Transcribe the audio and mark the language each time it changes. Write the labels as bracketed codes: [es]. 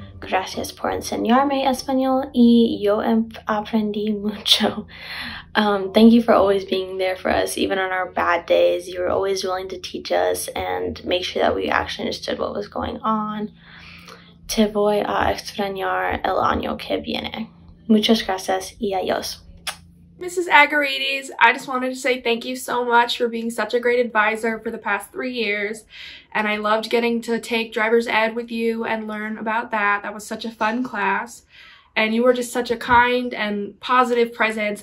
[es] Gracias por enseñarme español y yo aprendí mucho. [en] Thank you for always being there for us, even on our bad days. You were always willing to teach us and make sure that we actually understood what was going on. [es] Te voy a extrañar el año que viene. Muchas gracias y adiós. [en] Mrs. Agarides, I just wanted to say thank you so much for being such a great advisor for the past 3 years. And I loved getting to take driver's ed with you and learn about that. That was such a fun class. And you were just such a kind and positive presence.